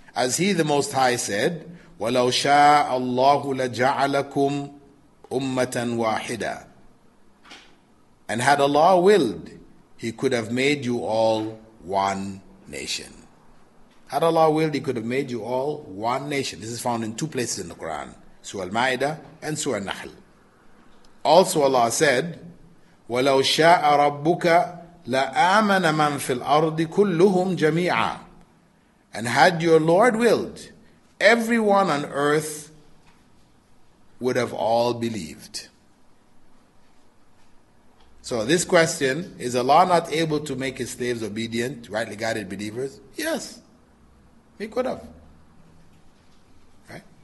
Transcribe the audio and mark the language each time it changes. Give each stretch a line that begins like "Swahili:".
English: As He, the Most High, said,
Arabic: وَلَوْ شَاءَ اللَّهُ لَجَعَلَكُمْ أُمَّةً وَاحِدًا.
English: And had Allah willed, He could have made you all one nation. Had Allah willed, He could have made you all one nation. This is found in two places in the Quran, Surah Al-Ma'idah and Surah Al-Nahl. Also Allah said,
Arabic: وَلَوْ شَاءَ رَبُّكَ لَآمَنَ مَنْ فِي الْأَرْضِ كُلُّهُمْ جَمِيعًا.
English: And had your Lord willed, everyone on earth would have all believed. So this question, is Allah not able to make His slaves obedient, rightly guided believers? Yes, He could have. Right?